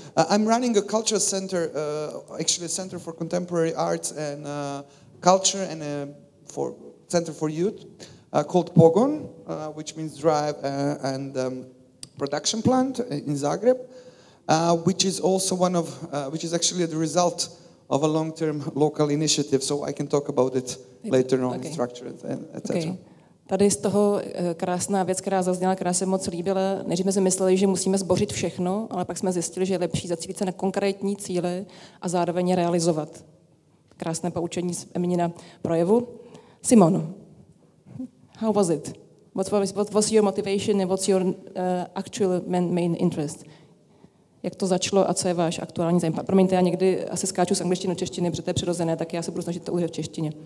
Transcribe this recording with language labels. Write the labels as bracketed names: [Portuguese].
[English] I'm running a cultural center, actually a center for contemporary arts and culture and a for center for youth called Pogon, which means drive and production plant in Zagreb, which is also one of, which is actually the result of a long-term local initiative. So I can talk about it later on, okay. Structure and et cetera. Okay. [Czech] Tady z toho krásná věc, která zazněla, která se moc líbila. Nejdřív jsme mysleli, že musíme zbořit všechno, ale pak jsme zjistili, že je lepší zacílit se na konkrétní cíle a zároveň je realizovat. Krásné poučení z Eminina projevu. [English] Simon, how was it? What was your motivation and what's your actual main interest? [Czech] Jak to začalo a co je váš aktuální zájem? Promiňte, já někdy asi skáču z angličtiny do češtiny, protože to je přirozené, tak já se budu snažit to udělat v češtině.